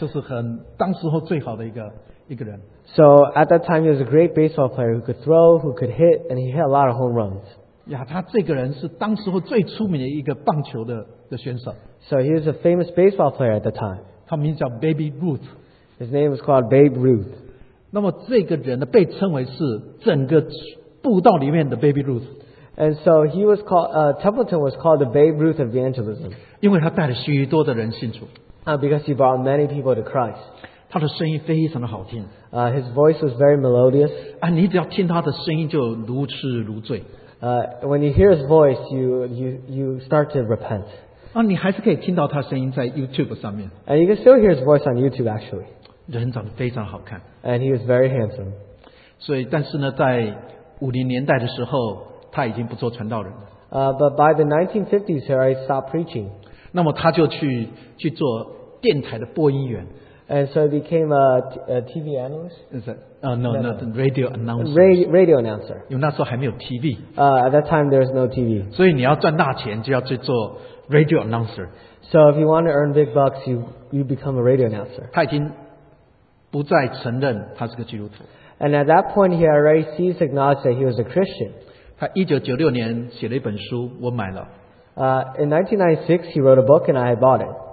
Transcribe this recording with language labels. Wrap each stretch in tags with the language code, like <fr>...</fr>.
<zh>那个人是能投能打，这是个全垒打王，就是很当时候最好的一个人。</zh> <en>So at that time, he was a great baseball player who could throw, who could hit, and he hit a lot of home runs.</en> <zh>呀，他这个人是当时候最出名的一个棒球的选手。</zh> <en>So he was a famous baseball player at the time.</en> <zh>他名叫 Baby Ruth.</zh> <en>His name was called Babe Ruth.</en> <zh>那么这个人呢，被称为是整个布道里面的 Baby Ruth.</zh> <en>And so he was called Templeton was called the Babe Ruth Evangelism. Because he brought many people to Christ. His voice was very melodious. When you hear his voice, you start to repent. And you can still hear his voice on YouTube actually. And he was very handsome.</en> <zh>所以但是呢在50年代的时候</zh> <en>But by the 1950s, he already stopped preaching.</en> <zh>那么他就去做电台的播音员。</zh> <en>And so he became a TV analyst? Radio announcer. Radio announcer.</en> <zh>因为那时候还没有TV.</zh> <en>At that time, there was no TV.</en> <zh>所以你要赚大钱就要去做</zh> <en>radio announcer. So if you want to earn big bucks, you become a radio announcer.</en> <zh>他已经不再承认他是个基督徒。</zh> <en>And at that point, he already ceased acknowledging that he was a Christian.</en> <zh>他1996年写了一本书，我买了。</zh> <en>In 1996, he wrote a book and I bought it.</en>